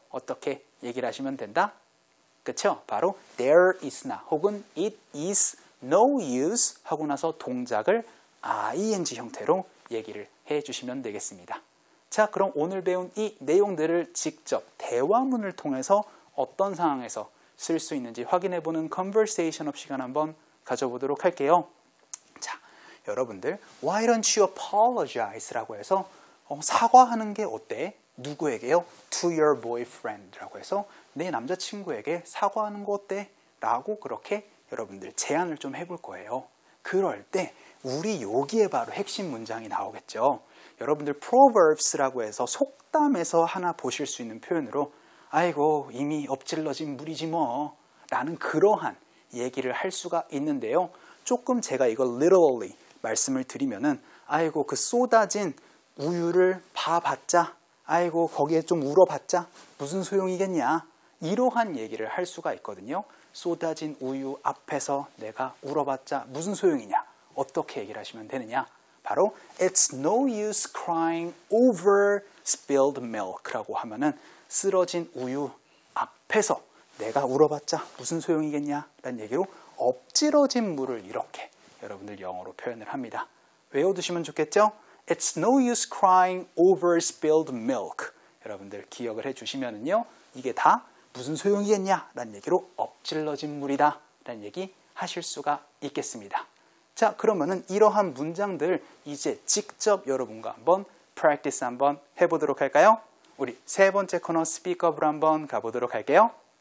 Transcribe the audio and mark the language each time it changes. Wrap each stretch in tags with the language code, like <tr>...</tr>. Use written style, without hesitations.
<ko>어떻게 얘기를 하시면 된다? 그쵸? 바로</ko> <en>there is not</en> <ko>혹은</ko> <en>it is no use</en> <ko>하고 나서 동작을 ing 형태로 얘기를 해주시면 되겠습니다. 자, 그럼 오늘 배운 이 내용들을 직접 대화문을 통해서 어떤 상황에서 쓸 수 있는지 확인해보는 conversation업 시간 한번 가져보도록 할게요. 자, 여러분들</ko> <en>why don't you apologize?</en> <ko>라고 해서 사과하는 게 어때? 누구에게요?</ko> <en>To your boyfriend</en> <ko>라고 해서 내 남자친구에게 사과하는 거 어때? 라고 그렇게 여러분들 제안을 좀 해볼 거예요. 그럴 때 우리 여기에 바로 핵심 문장이 나오겠죠. 여러분들 Proverbs라고 해서 속담에서 하나 보실 수 있는 표현으로 아이고 이미 엎질러진 물이지 뭐 라는 그러한 얘기를 할 수가 있는데요. 조금 제가 이걸 literally 말씀을 드리면은 아이고 그 쏟아진 우유를 봐봤자 아이고 거기에 좀 울어봤자 무슨 소용이겠냐 이러한 얘기를 할 수가 있거든요. 쏟아진 우유 앞에서 내가 울어봤자 무슨 소용이냐 어떻게 얘기를 하시면 되느냐 바로</ko> <en>It's no use crying over spilled milk</en> <ko>라고 하면은 쓰러진 우유 앞에서 내가 울어봤자 무슨 소용이겠냐 라는 얘기로 엎질러진 물을 이렇게 여러분들 영어로 표현을 합니다. 외워두시면 좋겠죠?</ko> <en>It's no use crying over spilled milk.</en> <ko>여러분들 기억을 해주시면은요, 이게 다 무슨 소용이겠냐? 라는 얘기로 엎질러진 물이다. 라는 얘기 하실 수가 있겠습니다. 자, 그러면은 이러한 문장들 이제 직접 여러분과 한번 practice 한번 해보도록 할까요? 우리 세 번째 코너 스피커블 한번 가보도록 할게요.</ko>